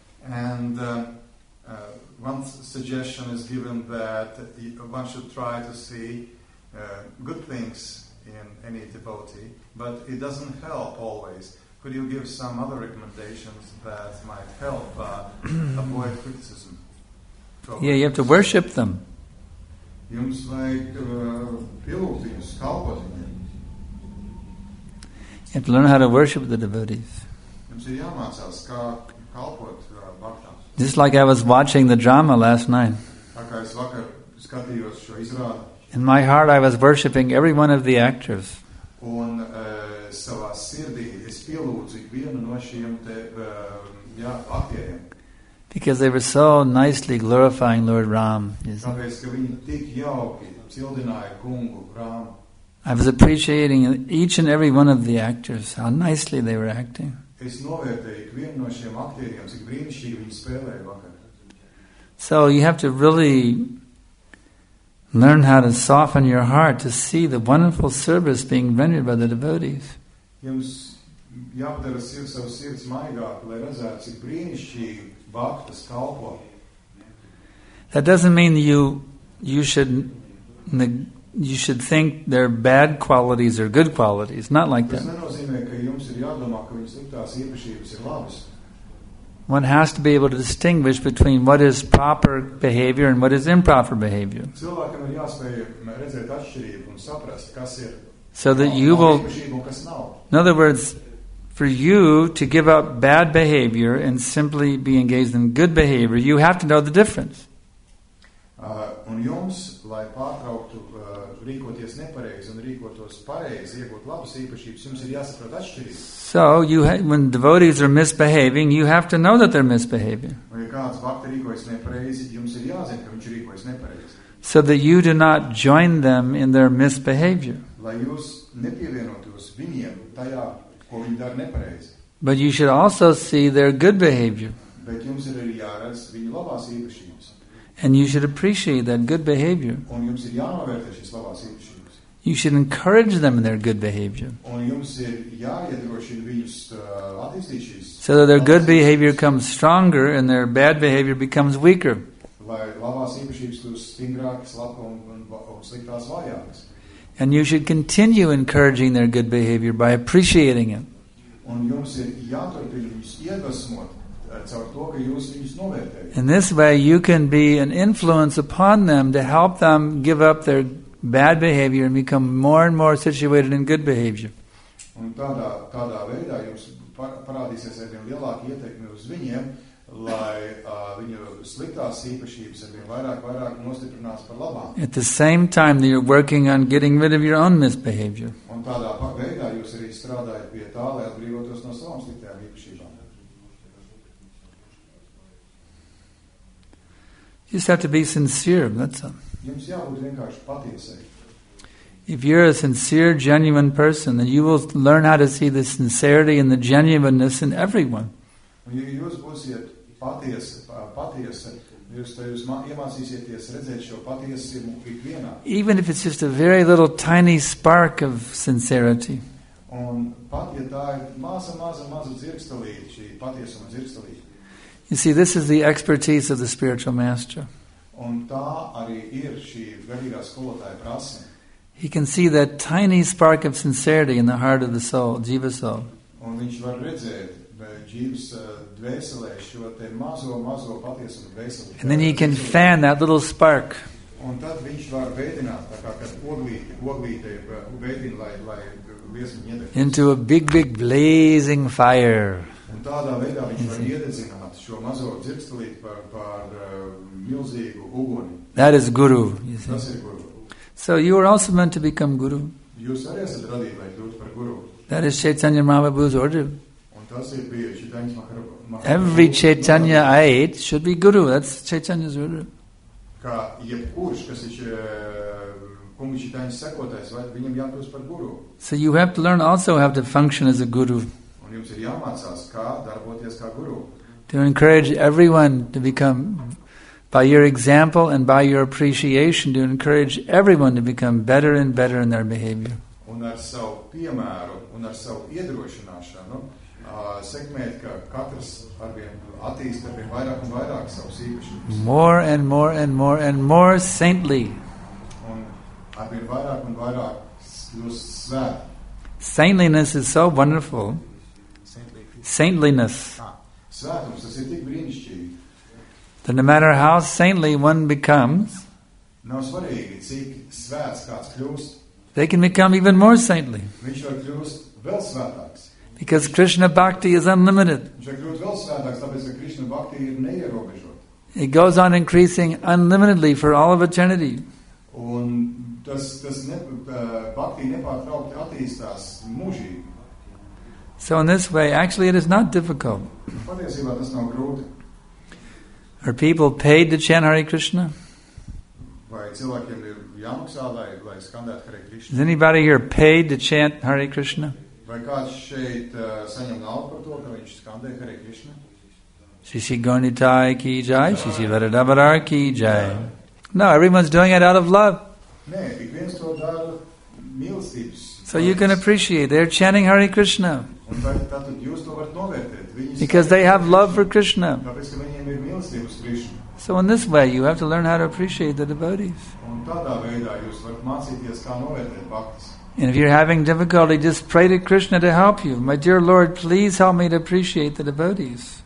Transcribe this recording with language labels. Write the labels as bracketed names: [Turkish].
[English] And one suggestion is given that one should try to see good things in any devotee, but it doesn't help always. Could you give some other recommendations that might help avoid criticism? Yeah, you have to worship them. [Latvian] Jums vajag pilūt viņus, kalpot viņiem. [English] You have to learn how to worship the devotees. [Latvian] Jums ir jāmācās, kā kalpot bhaktām. [English] Just like I was watching the drama last night. [Latvian] Tā kā es vakar skatījos šo izrādi. [English] In my heart, I was worshipping every one of the actors. [Latvian] Un savā sirdī es pielūdzu vienu no šiem te, jā, aktieriem. [English] Because they were so nicely glorifying Lord Ram. [Latvian] Tāpēc, ka viņi tik jauki cildināja kungu Ram. [English] I was appreciating each and every one of the actors, how nicely they were acting. [Latvian] Es novērtēju vienu no šiem aktieriem, cik brīnišķīgi viņi spēlēja vakar. [English] So you have to really learn how to soften your heart to see the wonderful service being rendered by the devotees. [Latvian] Jums jāpadara savu sirds maigāk, lai redzētu, cik brīnišķīgi bhaktas kalpo. [English] That doesn't mean you should think their bad qualities or good qualities. Not like that. [Latvian] Tas nenozīmē, ka jums ir jādomā, ka viņas sliktās iepašības ir labas. [English] One has to be able to distinguish between what is proper behavior and what is improper behavior. [Latvian] Cilvēkam ir jāspēj redzēt atšķirību un saprast, kas ir. [English] So that you will, [Latvian] kas nav. [English] In other words, for you to give up bad behavior and simply be engaged in good behavior, you have to know the difference. [Latvian] Un jums, lai pārtrauktu rīkoties nepareizi un rīkotos pareizi, iegūt labas īpašības, jums ir jāsaprot atšķirība. [English] So, when devotees are misbehaving, you have to know that they're misbehaving. [Latvian] Un, ja kāds bhakti rīkojas nepareizi, jums ir jāzina, ka viņš rīkojas nepareizi. [English] So that you do not join them in their misbehavior. [Latvian] Lai jūs nepievienotos viņiem tajā, ko viņi dara nepareizi. [English] But you should also see their good behavior. [Latvian] Bet jums ir jāredz viņu labās īpašības. [English] And you should appreciate that good behavior. [Latvian] Un jums ir jānovērtē šīs labās īpašības. [English] You should encourage them in their good behavior. [Latvian] Un jums ir jāiedrošina viņus attīstīt šīs. [English] So that their good behavior comes stronger and their bad behavior becomes weaker. [Latvian] Lai labās īpašības kļūst stingrākas, labāk un sliktās vājākas. [English] And you should continue encouraging their good behavior by appreciating it. [Latvian] Un jums ir jāturpina viņus iedvesmot caur to, ka jūs viņus novērtējat. [English] In this way you can be an influence upon them to help them give up their bad behavior and become more and more situated in good behavior. [Latvian] Un tādā veidā jums parādīsies arvien lielāka ietekme uz viņiem, lai viņu sliktās īpašības arvien vairāk nostiprinās par labām. [English] At the same time that you're working on getting rid of your own misbehavior. [Latvian] Un tādā veidā jūs arī strādājat pie tā, lai atbrīvotos no savām sliktām īpašībām. [English] You just have to be sincere, that's all. [Latvian] Jums jābūt vienkārši patiesai. [English] If you're a sincere, genuine person, then you will learn how to see the sincerity and the genuineness in everyone. [Latvian] Un ja jūs būsiet patiesa, jūs iemācīsieties redzēt šo patiesību ikvienā. [English] Even if it's just a very little tiny spark of sincerity. [Latvian] Un pat ja tā ir maza dzirkstelīte, šī patiesuma dzirkstelīte. [English] You see, this is the expertise of the spiritual master. [Latvian] Un tā arī ir šī garīgā skolotāja prasme. [English] He can see that tiny spark of sincerity in the heart of the soul, jīva soul. [Latvian] Un viņš var redzēt jīvas dvēselē šo te mazo patiesumu dvēseli. [English] And then he can fan that little spark. [Latvian] Un tad viņš var vēdināt, tā kā kad oglīte vēdina, lai liesmi iedegtu. [English] Into a big blazing fire. [Latvian] Un tādā veidā viņš var iedegināt šo mazo dzirkstelīti par milzīgu uguni. [English] That is guru. [Latvian] Tas ir guru. [English] So you are also meant to become guru. [Latvian] Jūs arī esat radīti, lai kļūtu par guru. [English] That is Chaitanya Mahaprabhu's order. [Latvian] Un tas ir bija Chaitanya Mahaprabhu. [English] Every Chaitanya eight should be guru. That's Chaitanya's order. [Latvian] Kā jebkurš, kas ir kungu Chaitanya sekotājs, vai viņam jākļūst par guru. [English] So you have to learn also how to function as a guru. [Latvian] Un jums ir jāmācās, kā darboties kā guru. [English] To encourage everyone to become, by your example and by your appreciation, to encourage everyone to become better and better in their behavior. [Latvian] Un ar savu piemēru, un ar savu iedrošināšanu, sekmēt, ka katrs arvien attīst arvien vairāk un vairāk savus īpašības. [English] More and more and more and more saintly. [Latvian] Un arvien vairāk un vairāk jūs svēt. [English] Saintliness is so wonderful. Saintliness. [Latvian] Svētums, tas ir tik brīnišķīgi. [English] That no matter how saintly one becomes, [Latvian] nav svarīgi, cik svēts kāds kļūst, [English] they can become even more saintly. [Latvian] Viņš var kļūst vēl svētāks. [English] Because Krishna bhakti is unlimited. [Latvian] Viņš var kļūst vēl svētāks, tāpēc, ka Krishna bhakti ir neierobežot. [English] It goes on increasing unlimitedly for all of eternity. [Latvian] Un bhakti nepārtraukti attīstās mūžīgi. [English] So in this way, actually, it is not difficult. [Latvian] Patiesībā tas nav grūti. [English] Are people paid to chant Hare Krishna? [Latvian] Vai cilvēkiem ir jāmaksā, lai skandētu Hare Krishna? [English] Is anybody here paid to chant Hare Krishna? [Latvian] Vai kāds šeit saņem naudu par to, ka viņš skandē Hare Krishna? Sisi gonitai ki jai, sisi varadabarar ki jai. [English] No, everyone's doing it out of love. [Latvian] Nē, ik viens to dara mīlestības. [English] So you can appreciate, they're chanting Hare Krishna. [Latvian] Un tātad jūs to varat novērtēt. [English] Because they have love for Krishna. [Latvian] Tāpēc, ka viņiem ir mīlestība uz Krishna. [English] So in this way, you have to learn how to appreciate the devotees. [Latvian] Un tādā veidā jūs varat mācīties, kā novērtēt bhaktis. [English] And if you're having difficulty, just pray to Krishna to help you. My dear Lord, please help me to appreciate the devotees.